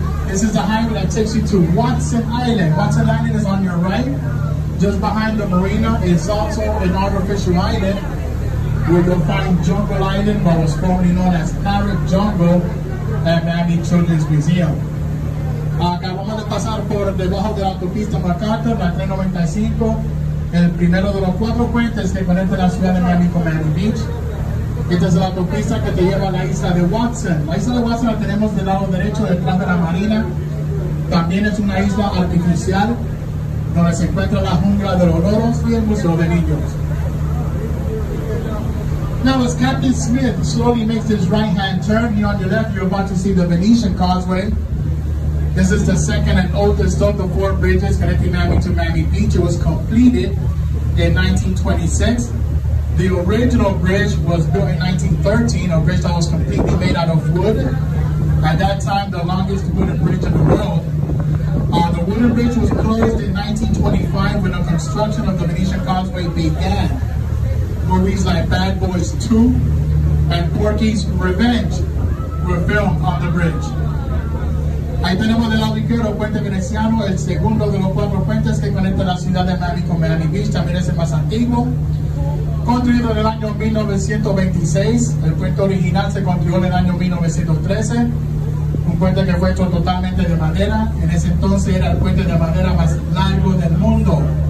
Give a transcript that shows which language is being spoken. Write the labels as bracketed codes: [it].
[en] This is the highway that takes you to Watson Island. Watson Island is on your right. Just behind the marina is also an artificial island where you'll find Jungle Island, but was formerly known as Parrot Jungle at Miami Children's Museum. [es] Acabamos de pasar por debajo de la autopista MacArthur, la 395, el primero de los cuatro puentes que conecta la ciudad de Miami con Miami Beach. Esta es la autopista que te lleva a la isla de Watson. La isla de Watson la tenemos del lado derecho detrás de la marina. También es una isla artificial donde se encuentra la jungla de los loros y el museo de niños. [en] Now, as Captain Smith slowly makes his right-hand turn, here on your left, you're about to see the Venetian Causeway. This is the second and oldest of the four bridges connecting Miami to Miami Beach. It was completed in 1926. The original bridge was built in 1913, a bridge that was completely made out of wood. At that time, the longest wooden bridge in the world. The wooden bridge was closed in 1925 when the construction of the Venetian Causeway began. Movies like Bad Boys 2 and Porky's Revenge were filmed on the bridge. [es] Ahí tenemos del lado izquierdo Puente Veneciano, el segundo de los cuatro puentes que conecta la ciudad de Miami con Miami Beach, también es el más antiguo. Construido en el año 1926, el puente original se construyó en el año 1913, un puente que fue hecho totalmente de madera, en ese entonces era el puente de madera más largo del mundo.